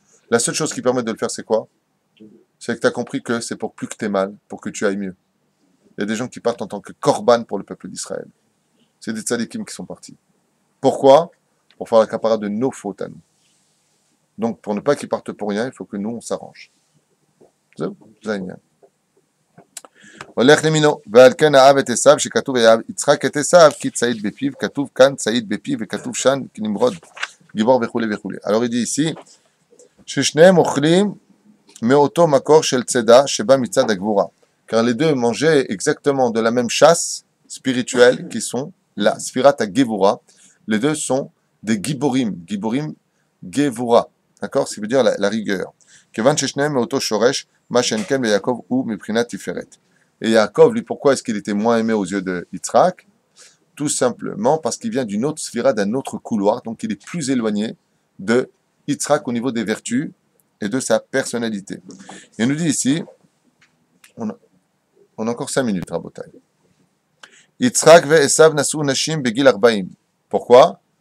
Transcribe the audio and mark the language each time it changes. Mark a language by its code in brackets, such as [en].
[fr] La seule chose qui permet de le faire, c'est quoi? C'est que tu as compris que c'est pour plus que tu aies mal, pour que tu ailles mieux. Il y a des gens qui partent en tant que corban pour le peuple d'Israël. C'est des tzadikim qui sont partis. Pourquoi? Pour faire la capara de nos fautes à nous. Donc pour ne pas qu'ils partent pour rien, il faut que nous on s'arrange. Zaynia. [he] הולך למינו, ועל כן אהב את עשיו, שכתוב היה יצחק את עשיו, כי צעיד בפיו, כתוב כאן צעיד בפיו, וכתוב שם, כנמרוד, גיבור וכו' וכו'. [fr] Alors il dit ici, [he] ששניהם אוכלים מאותו מקור של צדה, שבא מצד הגבורה. [fr] Car les deux mangeaient exactement de la même chasse spirituelle, qui sont la ספירת הגבורה. Les deux sont des גיבורים, גיבורים גבורה. D'accord? Ça veut dire la rigueur. [he] כיוון ששניהם מאותו שורש, מה שאין כן ביעקב הוא מבחינת תפארת. [fr] Et Yaakov, lui, pourquoi est-ce qu'il était moins aimé aux yeux de Yitzhak? Tout simplement parce qu'il vient d'une autre sphira, d'un autre couloir, donc il est plus éloigné de Yitzhak au niveau des vertus et de sa personnalité. Il nous dit ici, on a encore 5 minutes, Rabotai. [he] Yitzhak ve Esav nasu nashim begil arbaim. [fr] Pourquoi?